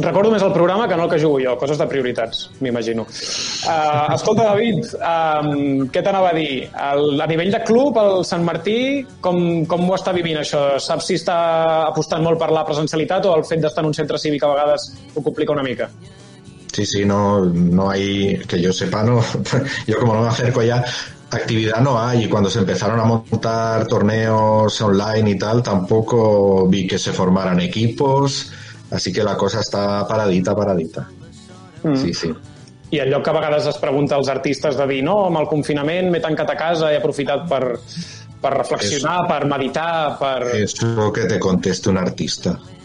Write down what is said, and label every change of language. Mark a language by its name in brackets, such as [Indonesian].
[Catalan] Recordo més el programa que no el que jugo jo. Coses de prioritats, m'imagino. Escolta, David, què t'anava a dir? A nivell de club, el Sant Martí, com ho està vivint això? Saps si està apostant molt per la presencialitat o el fet d'estar en un centre cívic a vegades ho complica una mica? [Spanish] Sí, sí, no hay, que yo sepa, no. Yo como no me acerco ya, actividad no hay. Y cuando se empezaron a montar torneos online y tal, tampoco vi que se formaran equipos. Así que la cosa está paradita. Sí, sí. [Catalan] I allò que a vegades es pregunta als artistes de dir, no, amb el confinament m'he tancat a casa, he aprofitat per reflexionar, eso, per meditar, per... [Spanish] Eso que te conteste un artista.